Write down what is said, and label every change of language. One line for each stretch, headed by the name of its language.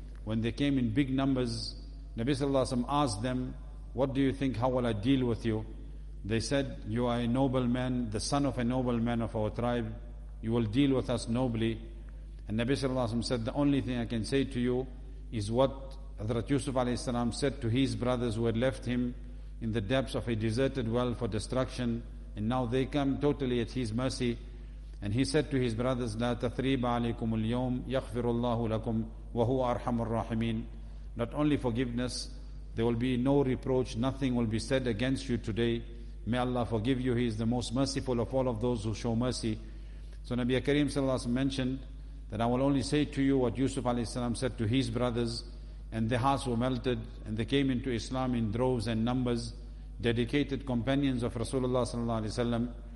English: When they came in big numbers, Nabi sallallahu alayhi wa sallam asked them, what do you think, how will I deal with you? They said, you are a noble man, the son of a noble man of our tribe. you will deal with us nobly. And Nabi sallallahu alayhi wa sallam said, the only thing I can say to you is what Hazrat Yusuf alayhi salam said to his brothers who had left him in the depths of a deserted well for destruction, and now they come totally at his mercy. And he said to his brothers,
Arabic: لا تثريب عليكم اليوم يغفر الله لكم وهو أرحم الراحمين.
English: Not only forgiveness, there will be no reproach, nothing will be said against you today. May Allah forgive you, He is the most merciful of all of those who show mercy. So Nabi Kareem sallallahu alayhi wa sallam mentioned that I will only say to you what Yusuf alayhi salam said to his brothers, and their hearts were melted and they came into Islam in droves and numbers, dedicated companions of Rasulullah sallallahu alayhi wa sallam.